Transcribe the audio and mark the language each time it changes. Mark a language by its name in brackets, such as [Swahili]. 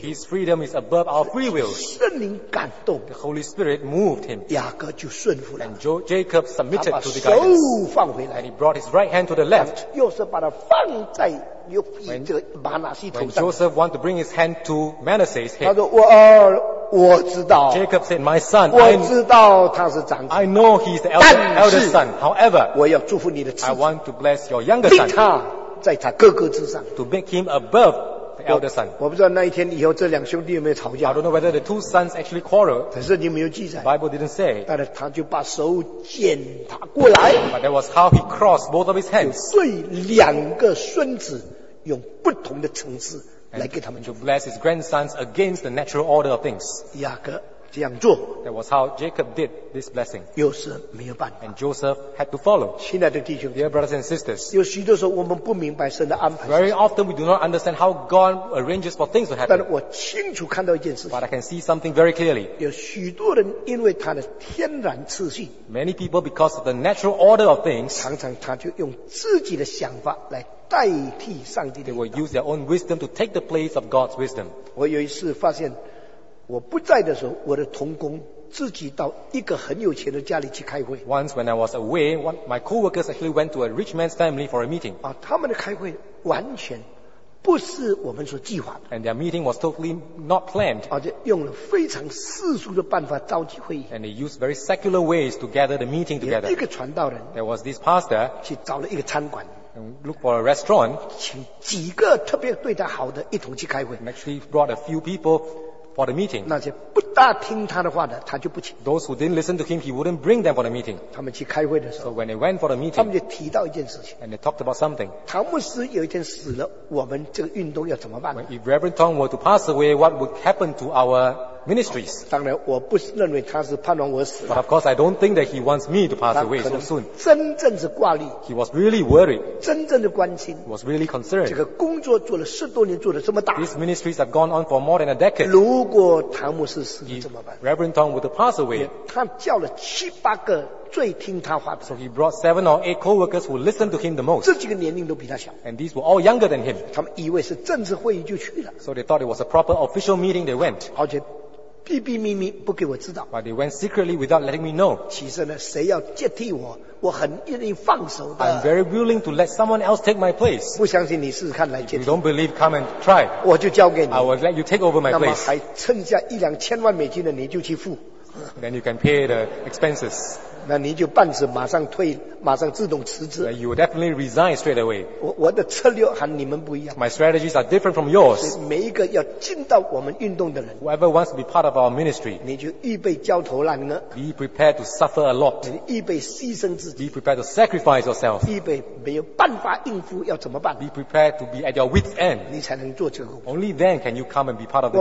[English] His freedom is above our free will. [Chinese] 圣灵感动。 [English] The Holy Spirit moved him. [Chinese] 雅各就顺服了。 [English] And Jacob submitted to the guidance. [Chinese] 他把手放回来。 [English] And he brought his right hand to the left. [Chinese] 又是把它放在又这个马拿西头上。 [English] When Joseph want to bring his hand to Manasseh's head, [Chinese] 他说我、我知道。 [English] Jacob said, "My son, [Chinese] 我知道他是长子。 [English] I know he's the elder son. However, [Chinese] 我要祝福你的次子。 [English] I want to bless your younger son. [Chinese] 立他在他哥哥之上。 [English] To make him above the elder son. [Chinese] 我不知道那一天以后这两兄弟有没有吵架。 [English] I don't know whether the two sons actually quarrelled. [Chinese] 可是你没有记载。 [English] Bible didn't say. [Chinese] 但是他就把手剪他过来。 [English] But that was how he crossed both of his hands. [Chinese] 就对两个孙子。用不同的层次来给他们 [English] to bless his grandsons against the natural order of things. [Chinese] 雅各这样做 [English] that was how Jacob did this blessing. [Chinese] 又是没有办法 [English] and Joseph had to follow. [Chinese] 亲爱的弟兄 [English] dear brothers and sisters, [Chinese] 有许多时候我们不明白神的安排 [English] very often we do not understand how God arranges for things to happen. [Chinese] 但我清楚看到一件事 [English] but I can see something very clearly. [Chinese] 有许多人因为他的天然次序 [English] many people because of the natural order of things, [Chinese] 常常他就用自己的想法来代替上帝的。 [English] They will use their own wisdom to take the place of God's wisdom. [Chinese] 我有一次发现，我不在的时候，我的同工自己到一个很有钱的家里去开会。 [English] Once when I was away, my co-workers actually went to a rich man's family for a meeting. [Chinese] 啊，他们的开会完全不是我们所计划的。 [English] And their meeting was totally not planned. [Chinese] 而且用了非常世俗的办法召集会议。 [English] And they used very secular ways to gather the meeting together. [Chinese] 有一个传道人。 [English] There was this pastor. [Chinese] 去找了一个餐馆。 [English] And look for a restaurant. [Chinese] 请几个特别对他好的一同去开会。 [English] And actually brought a few people for the meeting. [Chinese] 那些不大听他的话的，他就不请。 [English] Those who didn't listen to him, he wouldn't bring them for the meeting. [Chinese] 他们去开会的时候。 [English] So when they went for the meeting, [Chinese] 他们就提到一件事情。 [English] And they talked about something. [Chinese] 唐牧师有一天死了，我们这个运动要怎么办 [English] ？When if Reverend Tong were to pass away, what would happen to our ministries? [Chinese] 当然，我不认为他是盼望我死。 [English] But of course, I don't think that he wants me to pass away so soon. [Chinese] 真正是挂虑。 [English] He was really worried. [Chinese] 真正的关心。 [English] Was really concerned. [Chinese] 这个工作做了十多年，做得这么大。 [English] These ministries have gone on for more than a decade. [Chinese] 如果唐牧师死了怎么办 [English] ？Reverend Tong would pass away. [Chinese] 他叫了七八个最听他话的。 [English] So he brought seven or eight co-workers who listened to him the most. [Chinese] 这几个年龄都比他小。 [English] And these were all younger than him. [Chinese] 他们以为是正式会议就去了。 [English] So they thought it was a proper official meeting. They went. [Chinese] 而且秘秘密密不给我知道。 [English] But they went secretly without letting me know. [Chinese] 其实呢，谁要接替我，我很愿意放手的。 [English] I'm very willing to let someone else take my place. [Chinese] 不相信你试试看来接替。 [English] If you don't believe, come and try. [Chinese] 我就交给你。 [English] I will let you take over my place. [Chinese] 那么还剩下一两千万美金的，你就去付。 [English] Then you can pay the expenses. [Chinese] 那你就半死，马上退，马上自动辞职。 [English] You will definitely resign straight away. [Chinese] 我的策略和你们不一样。 [English] My strategies are different from yours. [Chinese] 每一个要进到我们运动的人 [English] ，whoever wants to be part of our ministry， [Chinese] 你就预备焦头烂额。 [English] Be prepared to suffer a lot. [Chinese] 你预备牺牲自己。 [English] Be prepared to sacrifice yourself. [Chinese] 预备没有办法应付，要怎么办 [English] ？Be prepared to be at your wit's end. [Chinese] 你才能做这个工作。 [English] Only then can you come and be part of the ministry.